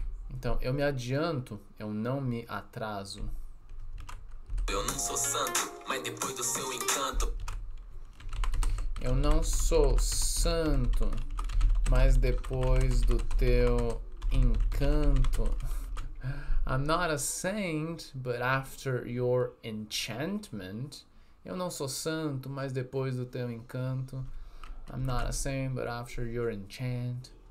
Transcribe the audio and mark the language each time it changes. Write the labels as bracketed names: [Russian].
[Portuguese] Então, eu me adianto, eu não me atraso. Eu não sou santo, mas depois do seu encanto. Eu não sou santo, mas depois do teu encanto. [English] I'm not a saint, but after your enchantment. [Portuguese] Eu não sou santo, mas depois do teu encanto. [English] I'm not a saint, but after your enchant.